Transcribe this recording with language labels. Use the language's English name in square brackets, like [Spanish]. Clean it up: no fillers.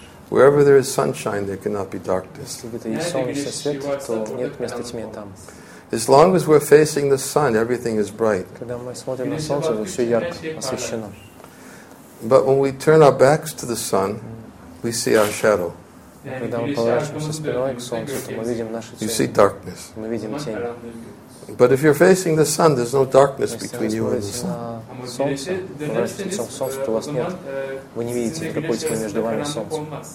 [English] Wherever there is sunshine, there cannot be darkness. [Russian] Если где-то есть солнце, свет, то нет места тьме там. [English] As long as we're facing the sun, everything is bright. [Russian] Когда мы смотрим на солнце, то все ярко освещено. [English] But when we turn our backs to the sun, we see our shadow. [Russian] Когда мы поворачиваемся спиной к солнцу, то мы видим нашу тень. [English] You see darkness. [Russian] Мы видим тень. [English] But if you're facing the sun, there's no darkness between you and the sun. [Russian] Солнце, поворачиваясь лицом к солнцу, то у вас нет. Вы не видите никакой тьмы между вами и солнцем.